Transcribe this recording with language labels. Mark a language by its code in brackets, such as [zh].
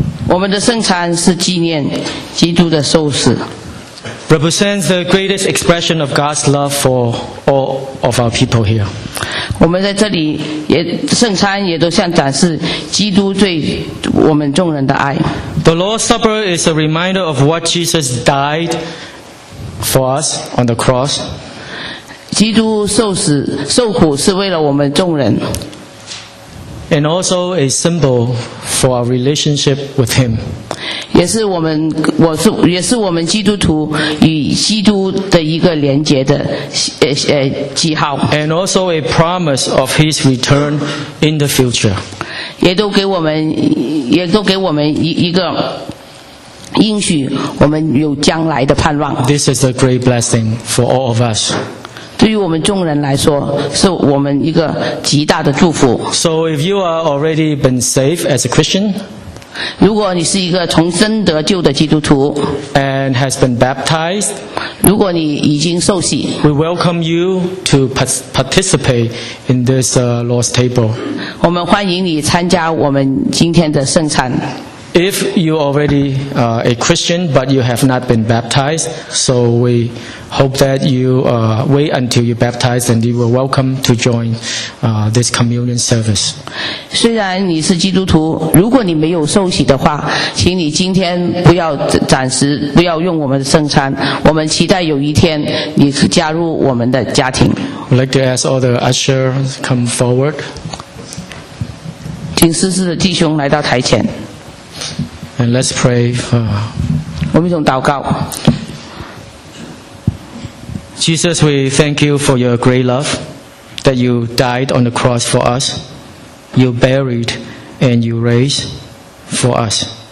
[zh] 我们的圣餐是纪念基督的受死。 [en] Represents the greatest expression of God's love for all of our people here. [zh] 我们在这里也圣餐也都像展示基督对我们众人的爱。 [en] The Lord's Supper is a reminder of what Jesus died for us on the cross. [zh] 基督受死受苦是为了我们众人。 [en] And also a symbol for our relationship with Him. [zh] 也是我们我是也是我们基督徒与基督的一个连结的记号。 [en] And also a promise of His return in the future. [zh] 也都给我们也都给我们一个应许，我们有将来的盼望。 [en] This is a great blessing for all of us. [zh] 对于我们众人来说，是我们一个极大的祝福。 [en] So if you are already been saved as a Christian, [zh] 如果你是一个重生得救的基督徒 [en] ，and has been baptized, [zh] 如果你已经受洗 [en] ，we welcome you to participate in this Lord's table. [zh] 我们欢迎你参加我们今天的圣餐。 [en] If you already a Christian but you have not been baptized, so we hope that you wait until you're baptized and you are welcome to join this communion service. [zh] 虽然你是基督徒，如果你没有受洗的话，请你今天不要暂时不要用我们的圣餐。我们期待有一天你加入我们的家庭。 [en] I'd like to ask all the ushers come forward. [zh] 请施事的弟兄来到台前。 [en] And let's pray for. [zh] 我们一同祷告。 [en] Jesus, we thank you for your great love that you died on the cross for us, you buried and you raised for us.